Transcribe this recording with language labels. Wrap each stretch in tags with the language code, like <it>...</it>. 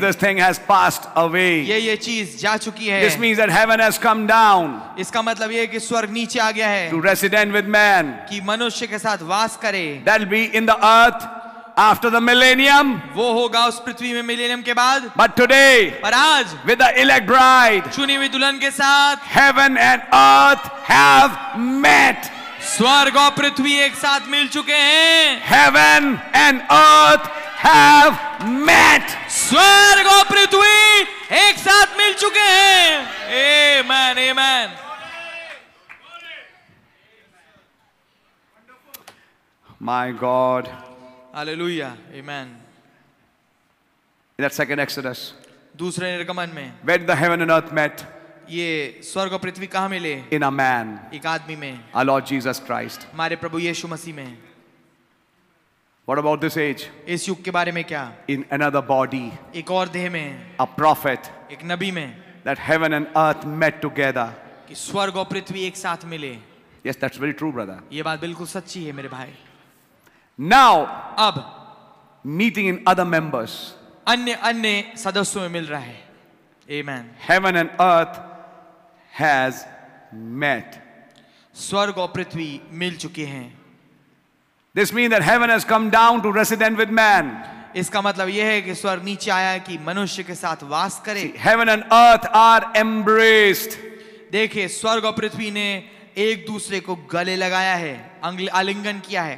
<en>This thing has passed away.</en> <hi>ये चीज जा चुकी है।</hi> <en>This means that heaven has come down.</en> <hi>इसका मतलब ये कि स्वर्ग नीचे आ गया है।</hi> <en>To resident with man.</en> <hi>कि मनुष्य के साथ वास करे।</hi> <en>That'll be in the earth after the millennium.</en> <hi>वो होगा उस पृथ्वी में मिलेनियम के बाद.</hi> <en>But today,</en> <hi>पर आज,</hi> <en>with the elect bride,</en> <hi>चुनी हुई दुल्हन के साथ,</hi> <en>heaven and earth have met.</en> <hi>स्वर्ग और पृथ्वी एक साथ मिल चुके हैं.</hi> <en>Heaven and earth have met.</en> <hi>स्वर्ग और पृथ्वी एक साथ मिल चुके हैं.</hi> <en>Amen, amen. My God. Hallelujah. Amen. In that second Exodus.</en> <hi>दूसरे निर्गमन में.</hi> <en>Where the heaven and earth met.</en> <hi>ये स्वर्ग और पृथ्वी कहाँ मिले?</hi> <en>In a man.</en> <hi>एक आदमी में.</hi> <en>Our Lord Jesus Christ.</en> <hi>हमारे प्रभु यीशु मसीह में.</hi> <en>What about this age?</en> <hi>इस युग के बारे में क्या?</hi> <en>In another body.</en> <hi>एक और देह में.</hi> <en>A prophet.</en> <hi>एक नबी में.</hi> <en>That heaven and earth met together.</en> <hi>कि स्वर्ग और पृथ्वी एक साथ मिले.</hi> <en>Yes, that's very true, brother.</en> <hi>ये बात बिल्कुल सच्ची है मेरे भाई.</hi> <en>Now,</en> <hi>अब</hi> <en>meeting in other members,</en> <hi>अन्य सदस्यों में मिल रहा है.</hi> <en>Amen. Heaven and earth has met.</en> <hi>स्वर्ग और पृथ्वी मिल चुके हैं.</hi> <en>This means that heaven has come down to resident with man.</en> <hi>इसका मतलब यह है कि स्वर्ग नीचे आया है कि मनुष्य के साथ वास करे.</hi> <en>See, heaven and earth are embraced.</en> <hi>देखिए स्वर्ग और पृथ्वी ने एक दूसरे को गले लगाया है, आलिंगन किया है.</hi>